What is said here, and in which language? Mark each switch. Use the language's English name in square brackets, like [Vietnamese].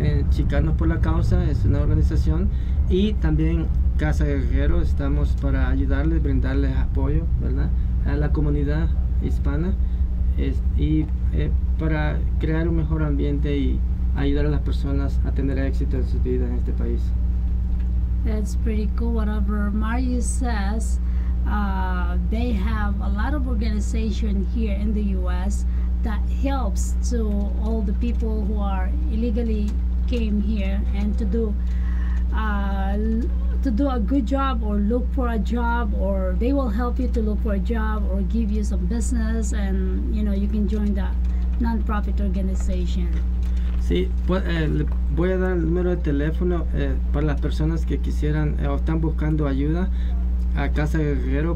[Spanish] Chicanos por la Causa es una organización, y también Casa Guerrero, estamos para ayudarles, brindarles apoyo, ¿verdad?, a la comunidad hispana, y para crear un mejor ambiente y ayudar a las personas a tener éxito en sus vidas en este país. [English] That's pretty cool. Whatever Mario says, they have a lot of organization here in the U.S. that helps to all the people who are illegally came here and to do a good job or look for a job, or they will help you to look for a job or give you some business, and you know, you can join that nonprofit organization. [Spanish] Sí, pues, voy a dar el número de teléfono para las personas que quisieran o están buscando ayuda a Casa Guerrero.